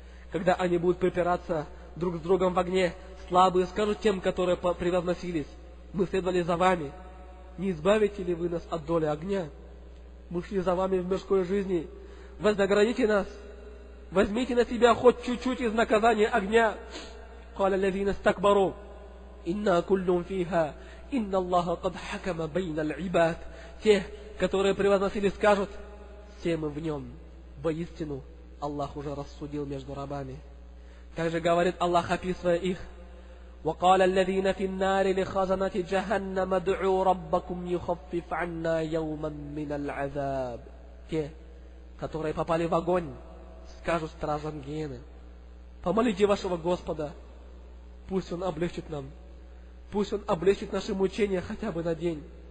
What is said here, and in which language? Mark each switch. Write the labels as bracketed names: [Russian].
[Russian] Когда они будут препираться друг с другом в огне, слабые скажут тем, которые превозносились: мы следовали за вами, не избавите ли вы нас от доли огня? Мы шли за вами в мирской жизни, вознаградите нас, возьмите на себя хоть чуть-чуть из наказания огня. [Arabic] قال الذين استكبروا إن كلهم فيها إن الله قد حكم بين العباد. [Russian] Те, которые превозносили, скажут: все мы в нем, воистину Аллах уже рассудил между рабами. Также говорит Аллах, описывая их: [Arabic] وقال الذين في النار لخزنة جهنم ادعوا ربكم يخفف عنا يوما من العذاب. [Russian] Те, которые попали в огонь, скажут стражам гиены: помолите вашего Господа, пусть он облегчит нам, пусть он облегчит наши мучения хотя бы на день.